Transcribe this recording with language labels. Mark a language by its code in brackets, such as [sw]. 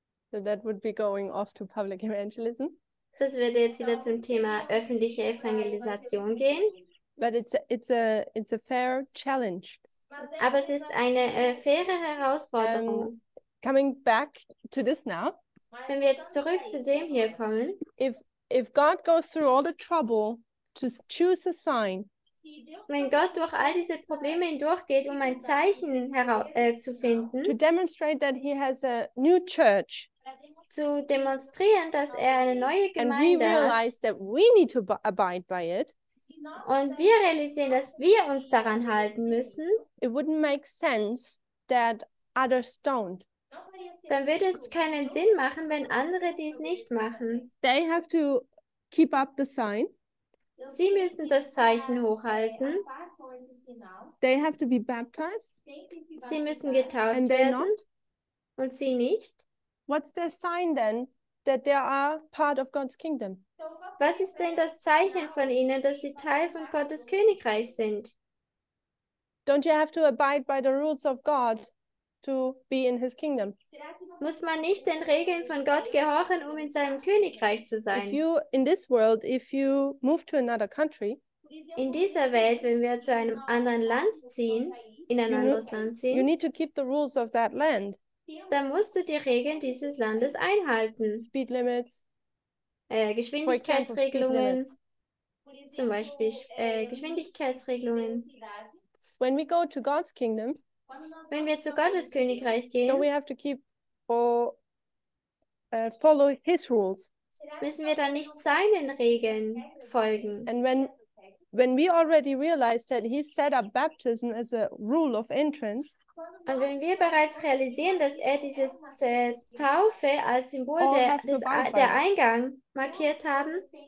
[en] So that would be going off to public evangelism. [de] Das würde jetzt wieder zum Thema öffentliche Evangelisation gehen. [en] But it's a fair challenge. [de] Aber es ist eine faire Herausforderung. [en] Coming back to this now. [de] Wenn wir jetzt zurück zu dem hier kommen, [en] if God goes through all the trouble to choose a sign, [de] wenn Gott durch all diese Probleme hindurchgeht, um ein Zeichen zu finden, [en] to demonstrate that he has a new church, [de] zu demonstrieren, dass eine neue Gemeinde [en] and we realize [de] hat, [en] that we need to abide by it, [de] und wir realisieren, dass wir uns daran halten müssen, [en] it wouldn't make sense that others don't. [de] Dann würde es keinen Sinn machen, wenn andere dies nicht machen. [en] They have to keep up the sign. [de] Sie müssen das Zeichen hochhalten. [en] They have to be baptized. [de] Sie müssen getauft [en] and they [de] werden. [en] Not? [de] Und sie nicht. [en] What's their sign then, that they are part of God's kingdom? [de] Was ist denn das Zeichen von ihnen, dass sie Teil von Gottes Königreich sind? [en] Don't you have to abide by the rules of God to be in his kingdom? [de] Muss man nicht den Regeln von Gott gehorchen, um in seinem Königreich zu sein? [en] If you, in this world, if you move to another country, [de] in dieser Welt, wenn wir zu einem anderen Land ziehen, in ein anderes Land ziehen, [en] you need to keep the rules of that land. [de] Dann musst du die Regeln dieses Landes einhalten. [en] Speed limits. [de] Geschwindigkeitsregelungen. Zum Beispiel Geschwindigkeitsregelungen. [en] When we go to God's kingdom, [de] wenn wir zu Gottes Königreich gehen, [en] don't we have to keep or follow his rules? [de] Müssen wir dann nicht seinen Regeln folgen? [en] And when we already realized that he set up baptism as a rule of entrance, [de] und wenn wir bereits realisieren, dass dieses Taufe als Symbol der Eingang markiert haben,